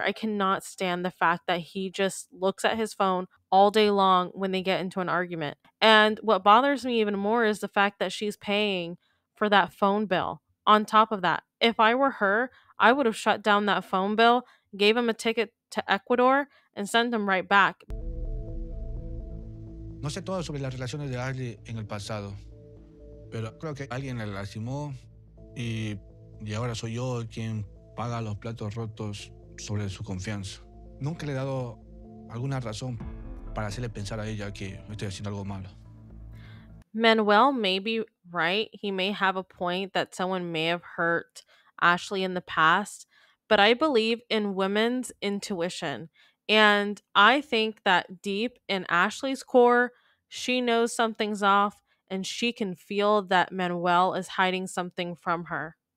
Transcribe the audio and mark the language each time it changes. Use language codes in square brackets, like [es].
[en] I cannot stand the fact that he just looks at his phone all day long when they get into an argument. And what bothers me even more is the fact that she's paying for that phone bill. On top of that, if I were her, I would have shut down that phone bill, gave him a ticket to Ecuador, and sent him right back. [es] No sé todo sobre las relaciones de Ashley en el pasado, pero creo que alguien la lastimó y ahora soy yo quien paga los platos rotos sobre su confianza. Nunca le he dado alguna razón para hacerle pensar a ella que estoy haciendo algo malo. [en] Manuel may be right. He may have a point that someone may have hurt Ashley in the past, but I believe in women's intuition. And I think that deep in Ashley's core, she knows something's off and she can feel that Manuel is hiding something from her.